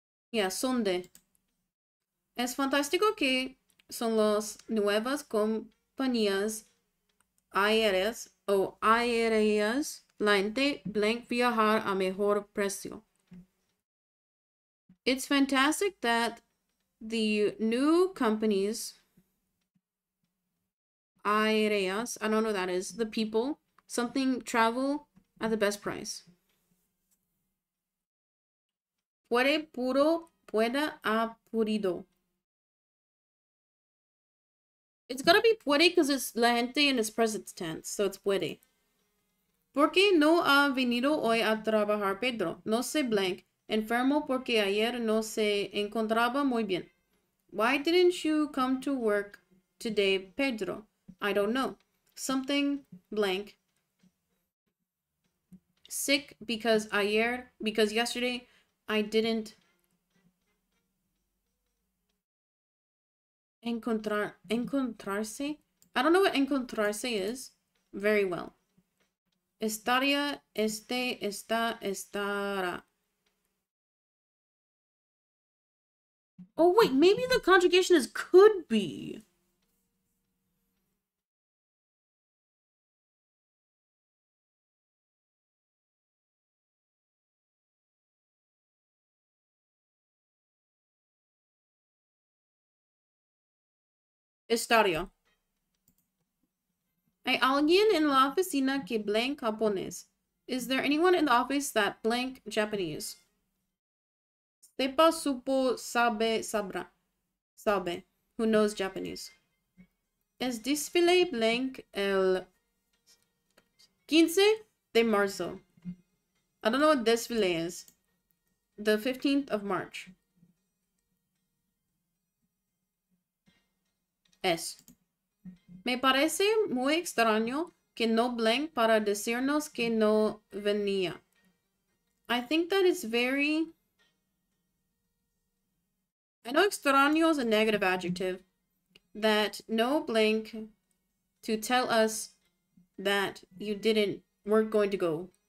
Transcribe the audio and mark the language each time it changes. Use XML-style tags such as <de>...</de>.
<es>Yeah, son de. Es fantástico que son las nuevas compañías aéreas o aéreas la gente blank viajar a mejor precio.</es> <en>It's fantastic that the new companies, aéreas, I don't know what that is, the people, something travel at the best price.</en> <es>Puede puro, pueda apurido.</es> <en>It's gotta be puede because it's</en> <es>la gente</es> <en>in its present tense, so it's puede.</en> <es>¿Por qué no ha venido hoy a trabajar, Pedro? No sé, blank. Enfermo porque ayer no se encontraba muy bien.</es> <en>Why didn't you come to work today, Pedro? I don't know. Something blank. Sick because yesterday I didn't encontrarse. I don't know what encontrarse is very well.</en> <es>Estaría, este, está, estará.</es> <en>Oh, wait, maybe the conjugation is could be.</en> <es>Estadio. Hay alguien en la oficina que blank japonés.</es> <en>Is there anyone in the office that blank Japanese?</en> <es>Sepa, supo, sabe, sabra. Sabe.</es> <en>Who knows Japanese?</en> <es>Es desfile blank el 15 de marzo.</es> <en>I don't know what desfile is. The 15th of March.</en> <es>Es. Me parece muy extraño que no blank para decirnos que no venía.</es> <en>I think that is very... I know extraño is a negative adjective, that no blank to tell us that you didn't, weren't going to go.</en>